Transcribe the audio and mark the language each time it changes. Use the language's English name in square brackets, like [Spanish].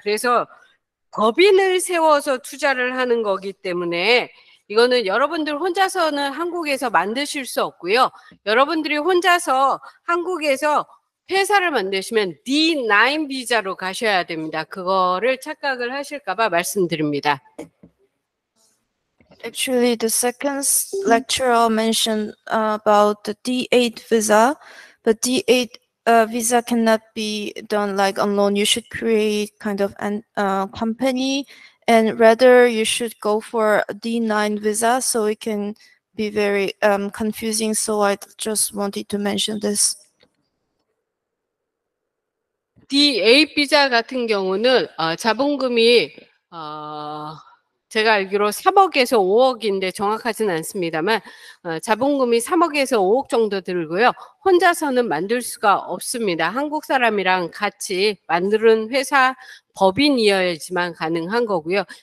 [Korean] 그래서 법인을 세워서 투자를 하는 거기 때문에 이거는 여러분들 혼자서는 한국에서 만드실 수 없고요. 여러분들이 혼자서 한국에서 회사를 만드시면 D9 비자로 가셔야 됩니다. 그거를 착각을 하실까봐 말씀드립니다. [English] Actually, the second lecturer mentioned about the D8 visa, but D8 visa cannot be done like alone. You should create kind of a company, and rather you should go for D9 visa, so it can be very confusing. So I just wanted to mention this. [Korean] D8 비자 같은 경우는 자본금이 제가 알기로 3억에서 5억인데 정확하진 않습니다만 자본금이 3억에서 5억 정도 들고요. 혼자서는 만들 수가 없습니다. 한국 사람이랑 같이 만드는 회사 법인이어야지만 가능한 거고요.